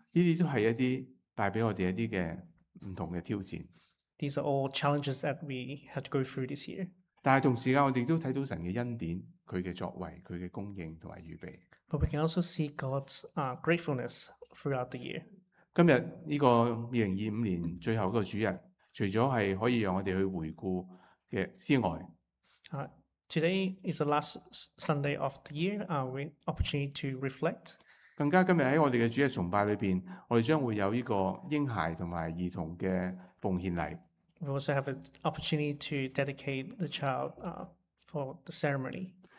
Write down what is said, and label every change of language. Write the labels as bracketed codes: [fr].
[yue] 呢啲都係一啲帶俾我哋一啲嘅唔同嘅挑戰。 [en] These are all challenges that we had to go through this year. [yue] 但同時間，我哋都睇到神嘅恩典、佢嘅作為、佢嘅供應同埋預備。 [en] But we can also see God's gratefulness throughout the year. [yue] 今日呢個2025年最後一個主日，除咗係可以讓我哋去回顧嘅之外 [en] ，Today is the last Sunday of the year. We opportunity to reflect. [yue] 更加今日喺我哋嘅主日崇拜裏邊，我哋將會有呢個嬰孩同埋兒童嘅奉獻禮。 [en] We also have an opportunity to dedicate the child for the ceremony.